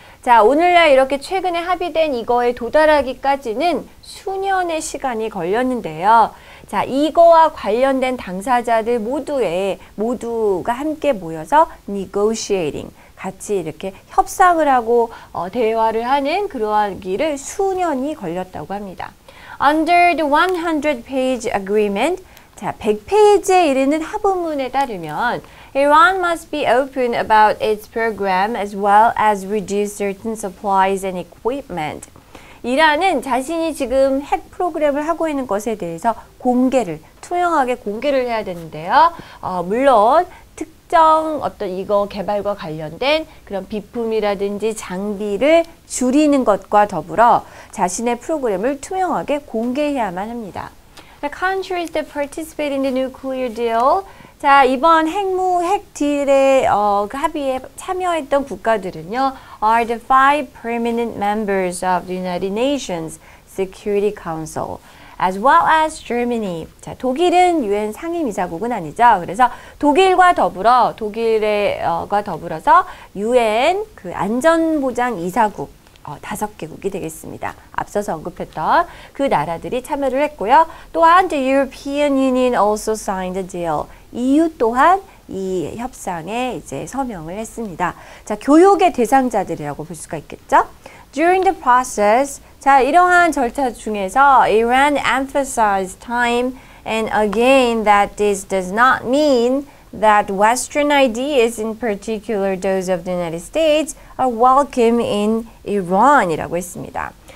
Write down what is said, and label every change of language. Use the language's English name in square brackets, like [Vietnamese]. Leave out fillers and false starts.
[Korean] 자, 오늘날 이렇게 최근에 합의된 이거에 도달하기까지는 수년의 시간이 걸렸는데요. 자, 이거와 관련된 당사자들 모두가 함께 모여서 negotiating, 같이 이렇게 협상을 하고 대화를 하는 그러한 길을 수년이 걸렸다고 합니다. [English] Under the 100-page agreement, [Korean] 자, 100페이지에 이르는 합의문에 따르면 [English] Iran must be open about its program as well as reduce certain supplies and equipment. [Korean] 이란은 자신이 지금 핵 프로그램을 하고 있는 것에 대해서 투명하게 공개를 해야 되는데요. 물론 특정 어떤 이거 개발과 관련된 그런 비품이라든지 장비를 줄이는 것과 더불어 자신의 프로그램을 투명하게 공개해야만 합니다. [English] The countries that participate in the nuclear deal. [Korean] 자, 이번 핵 딜의 그 합의에 참여했던 국가들은요. [English] Are the five permanent members of the United Nations Security Council. As well as Germany. [Korean] 자, 독일은 UN 상임이사국은 아니죠. 그래서 독일과 더불어서 UN 그 안전보장이사국 다섯 개국이 되겠습니다. 앞서서 언급했던 그 나라들이 참여를 했고요. 또한 [English] the European Union also signed a deal. [Korean] EU 또한 이 협상에 이제 서명을 했습니다. 자, 교육의 대상자들이라고 볼 수가 있겠죠. [English] During the process, [Korean] 자, 이러한 절차 중에서 [English] Iran emphasized time and again that this does not mean that Western ideas, in particular those of the United States, are welcome in Iran [Korean] 이라고 했습니다.